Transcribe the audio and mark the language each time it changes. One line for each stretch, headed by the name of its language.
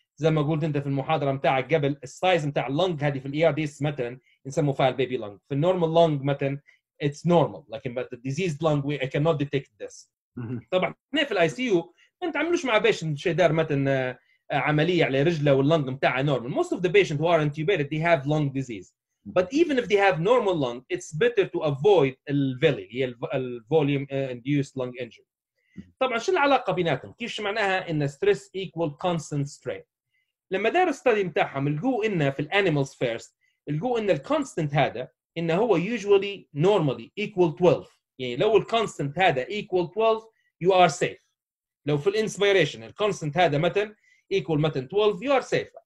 Arabic: زي ما قلت انت في المحاضرة متاعك قبل, السايز متاع اللنج هذه في الERDS مثلا نسموه فايل بيبي لنج. في النورمال لنج مثلا,
English: it's normal.
Arabic: لكن في الديزيزد لنج,
English: I cannot detect this.
Arabic: طبعا نحن في الICU, ما نتعملوش مع باشن شي دار مثلا عمليه على رجله واللنج بتاعها نورمال.
English: Most of the patients who are intubated they have lung disease, but even if they have normal lung it's better to avoid
Arabic: الفيلي هي الفوليوم
English: induced lung injury.
Arabic: طبعا شو العلاقه بيناتهم؟ كيف معناها ان ستريس ايكوال كونستنت سترين؟ لما داروا ستدي بتاعهم لقوا ان في الانيمالز فيرست لقوا ان الكونستنت هذا ان هو يوزوالي نورمالي ايكوال 12. يعني لو الكونستنت هذا ايكوال 12 يو ار سيف. لو في الانسبيريشن الكونستنت هذا مثلا equal مثلا 12
English: you are safe.